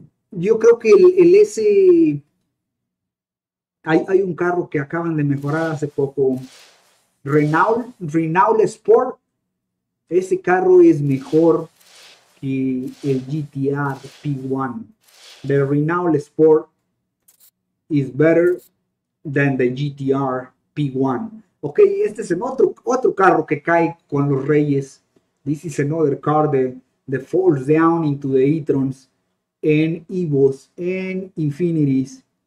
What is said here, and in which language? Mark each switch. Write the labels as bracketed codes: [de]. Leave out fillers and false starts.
[es] Yo creo que el S. Hay un carro que acaban de mejorar hace poco. Renault Sport. Ese carro es mejor que el GTR P1. [en] The Renault Sport is better than the GTR P1. [es] Ok, este es otro carro que cae con los reyes. [en] This is another car that falls down into the e-trons and Evos and Infinities.